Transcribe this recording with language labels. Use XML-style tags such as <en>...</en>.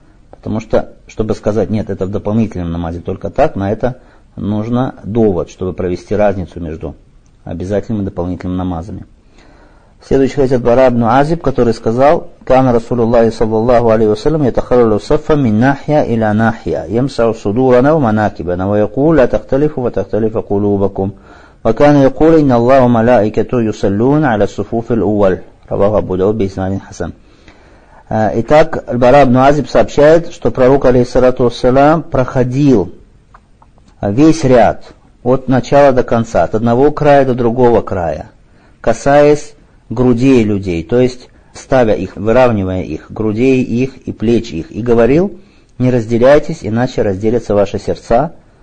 <ru>Потому что, чтобы сказать, нет, это в дополнительном намазе только так, на это нужно довод, чтобы провести разницу между обязательным и дополнительным намазами. Следующий хадис от Бара ибн Азиб, который сказал:</ru> <ar>«Кана Расулуллахи саллаллаху алейхи вассалям ятахаллалу саффа мин нахья иля нахья, ямсау судурана ва манакибана, ва якулу ля тахталифу ва тахталифа кулубакум». وكان يقول إن الله وملائكته يصلون على الصفوف الأول رواه أبو داود بإسناد حسن.</ar> <ru>Итак, Бара ибн Азиб сообщает, что пророк, алейхиссалату вассалям, проходил весь ряд от начала до конца, от одного края до другого края, касаясь грудей людей, то есть ставя их, выравнивая их, грудей их и плеч их, и говорил: «Не разделяйтесь, иначе разделятся ваши сердца».</ru>